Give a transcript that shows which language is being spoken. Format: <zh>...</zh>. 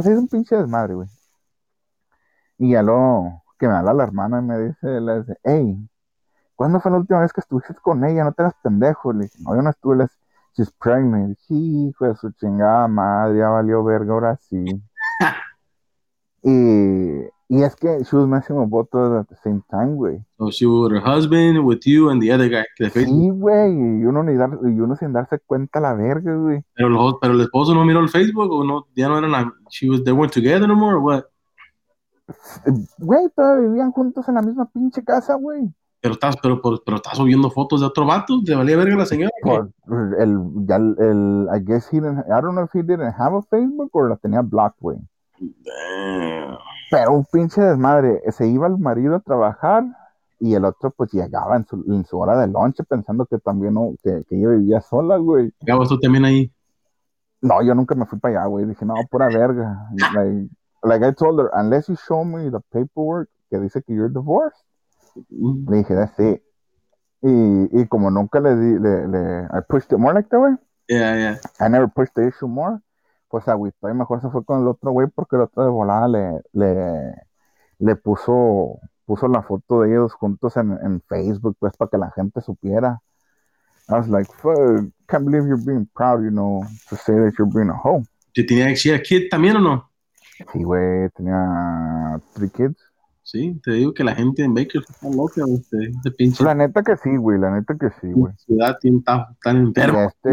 <es>Así es un pinche desmadre, güey. Y ya lo... que me habla la hermana y me dice, hey, ¿cuándo fue la última vez que estuviste con ella? No te hagas pendejo. Le dije, no, yo no estuve. Le dije,</es> <en>she's pregnant.</en> <es>Sí, hijo de su chingada madre, ya valió verga, ahora sí. Y es que</es> <en>she was messing with both of us at the same time, güey. Oh, she was with her husband, with you, and the other guy.</en> <es>Sí, güey, y uno sin darse cuenta la verga, güey. Pero el esposo no miró el Facebook, o no, ya no eran,</es> <en>they weren't together no more, or what?</en> <es>Güey, todavía vivían juntos en la misma pinche casa, güey. Pero estás subiendo fotos de otro vato, ¿te valía verga la señora?</es> <en>I guess he didn't, I don't know if he didn't have a Facebook, or</en> <es>la tenía</es> <en>blocked, güey. Damn.</en> <es>Pero un pinche desmadre, se iba el marido a trabajar y el otro pues llegaba en su hora de lunch pensando que también no, que yo vivía sola, güey. ¿Llegabas tú también ahí? No, yo nunca me fui para allá, güey. Dije, no, pura verga.</es> <en>Like I told her, unless you show me the paperwork</en> <es>que dice que</es> <en>you're divorced,</en> <es>le dije,</es> <en>that's it.</en> <es>Y como nunca le di,</es> <en>I pushed it more like that way. Yeah. I never pushed the issue more.</en> <es>Pues agüito, y mejor se fue con el otro güey, porque el otro de volada le puso la foto de ellos juntos en Facebook, pues, para que la gente supiera.</es> <en>I was like, fuck, can't believe you're being proud, you know, to say that you're being a hoe.</en> <es>¿Te tenía que ser</es> <en>a kid</en> <es>también o no? Sí, güey, tenía 3 kids. Sí, te digo que la gente en Baker está loca, este pinche. La neta que sí, güey, la neta que sí, güey. La ciudad tiene tan enferma.</es>